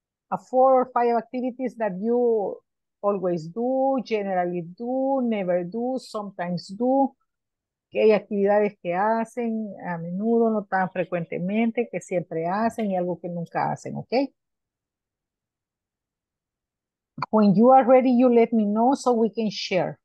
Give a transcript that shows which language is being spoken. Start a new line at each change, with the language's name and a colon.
English: A four or five activities that you always do, generally do, never do, sometimes do.
Spanish: Okay, actividades que hacen a menudo, no tan frecuentemente, que siempre hacen y algo que nunca hacen. Okay.
English: When you are ready, you let me know so we can share.